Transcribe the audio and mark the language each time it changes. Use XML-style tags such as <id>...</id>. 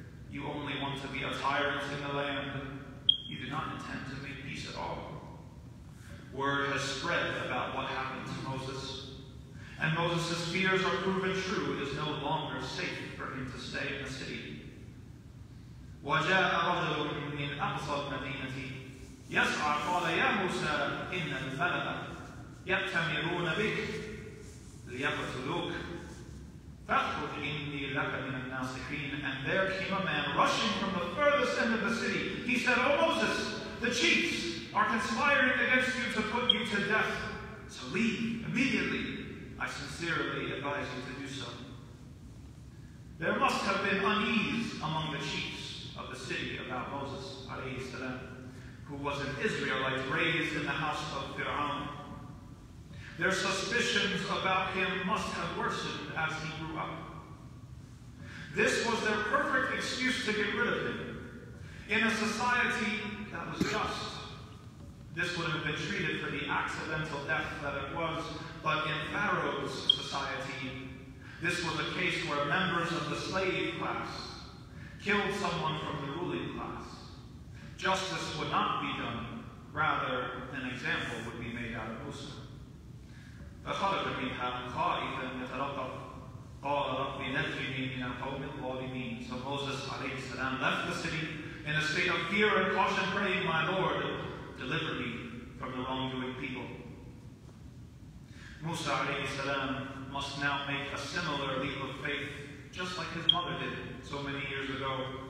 <en>You only want to be a tyrant in the land. You do not intend to make peace at all. Word has spread about what happened to Moses, and Moses' fears are proven true. It is no longer safe for him to stay in the city.</en> <ar>وَجَاءَ رَجُلٌ مِّنْ أَقْصَى الْمَدِينَةِ يسعى قال يا موسى إن الملأ يأتمرون بك ليقتلوك فاخرج إني لك من الناصحين.</ar> <en>And there came a man rushing from the furthest end of the city. He said, oh Moses, the chiefs are conspiring against you to put you to death. So leave immediately. I sincerely advise you to do so. There must have been unease among the chiefs of the city about Moses, alayhi salam, who was an Israelite raised in the house of Pharaoh. Their suspicions about him must have worsened as he grew up. This was their perfect excuse to get rid of him. In a society that was just, this would have been treated for the accidental death that it was, but in Pharaoh's society, this was a case where members of the slave class killed someone from the ruling class. Justice would not be done, rather an example would be made out of Musa.</en> <ar>فخرج منها خائفا يترقب قال ربي نجني من القوم الظالمين.</ar> <en>So Moses alayhi salam left the city in a state of fear and caution, praying, my Lord, deliver me from the wrongdoing people. Musa alayhi salam must now make a similar leap of faith, just like his mother did so many years ago.</en>